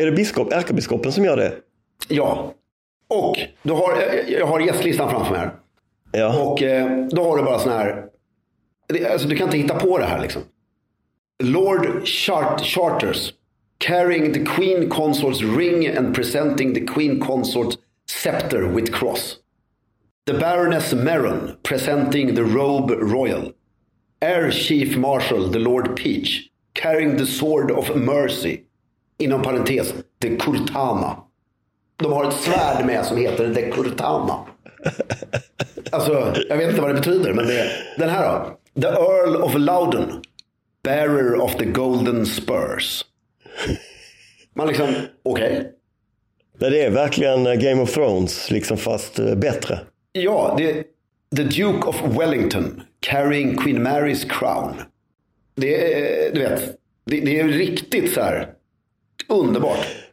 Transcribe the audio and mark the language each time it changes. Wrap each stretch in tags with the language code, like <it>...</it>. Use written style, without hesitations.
<sv>Är det biskop, ärkebiskopen som gör det? Ja. Och du har, jag har gästlistan framför mig här. Ja. Och då har du bara sån här... Alltså, du kan inte hitta på det här liksom.</sv> <en>Lord Charters carrying the Queen Consort's ring and presenting the Queen Consort's scepter with cross. The Baroness Merron presenting the robe royal. Air Chief Marshal the Lord Peach carrying the sword of mercy,</en> <sv>inom parentes,</sv> <en>the Kurtana.</en> <sv>De har ett svärd med som heter the Kurtana. Alltså, jag vet inte vad det betyder, men det är den här då.</sv> <en>The Earl of Loudon, bearer of the golden spurs.</en> <sv>Man liksom, okej.</sv> <en>Okay.</en> <sv>Det är verkligen Game of Thrones, liksom, fast bättre. Ja, det är The Duke of Wellington,</sv> <en>carrying Queen Mary's crown.</en> <sv>Det är, du vet, det är riktigt så här underbart.</sv>